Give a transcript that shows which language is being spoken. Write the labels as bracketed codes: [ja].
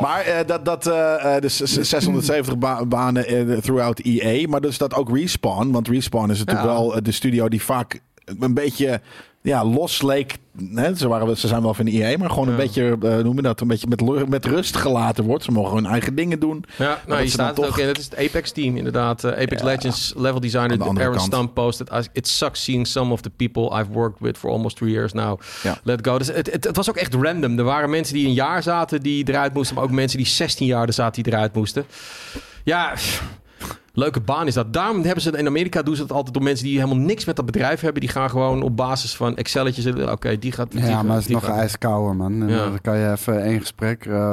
[nl] Maar dus 670 banen throughout EA, maar dus dat ook Respawn, want Respawn is natuurlijk wel de studio die vaak een beetje los leek. Hè? Ze zijn wel van de EA, maar gewoon een beetje, noem je dat, een beetje met rust gelaten wordt. Ze mogen hun eigen dingen doen. Ja, nou, hier staat het ook in. Het is het Apex team, inderdaad. [en] Apex Legends level designer Aaron Stump posted, it sucks seeing some of the people I've worked with for almost 3 years now. [nl] Ja. [en] Let go. [nl] Dus het was ook echt random. Er waren mensen die een jaar zaten die eruit moesten, maar ook mensen die 16 jaar er zaten die eruit moesten. Ja. Leuke baan is dat. Daarom hebben ze in Amerika doen ze dat altijd om mensen die helemaal niks met dat bedrijf hebben. Die gaan gewoon op basis van Excelletjes. Oké, die gaat... Het is nog ijskouder, man. Ja. Dan kan je even één gesprek...